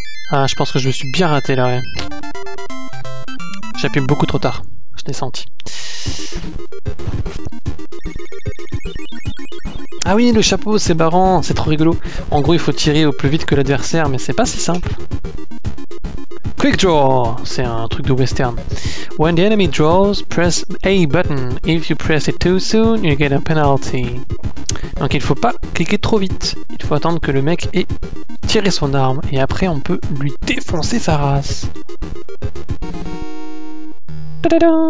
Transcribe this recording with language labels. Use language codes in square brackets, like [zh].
[fr] Ah, je pense que je me suis bien raté là. J'appuie beaucoup trop tard. Je l'ai senti. Ah oui, le chapeau, c'est marrant, c'est trop rigolo. En gros, il faut tirer au plus vite que l'adversaire, mais c'est pas si simple. Quick draw, c'est un truc de western. [en] When the enemy draws, press A button. If you press it too soon, you get a penalty. [fr] Donc il faut pas cliquer trop vite. Il faut attendre que le mec ait tiré son arme. Et après, on peut lui défoncer sa race. Ta-da-da!